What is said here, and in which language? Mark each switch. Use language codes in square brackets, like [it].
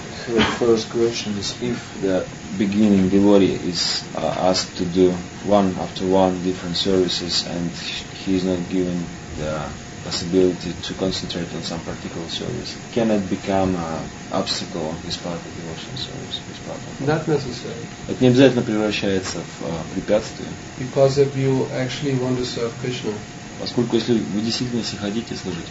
[en] the first question is, if the beginning devotee is asked to do one after one different services and he is not given the possibility to concentrate on some particular service, can it become an obstacle on his part of devotional service? Not necessary. [ru] Это не обязательно превращается в препятствие. [en] Because if you actually want to serve Krishna, [ru] поскольку если вы действительно хотите служить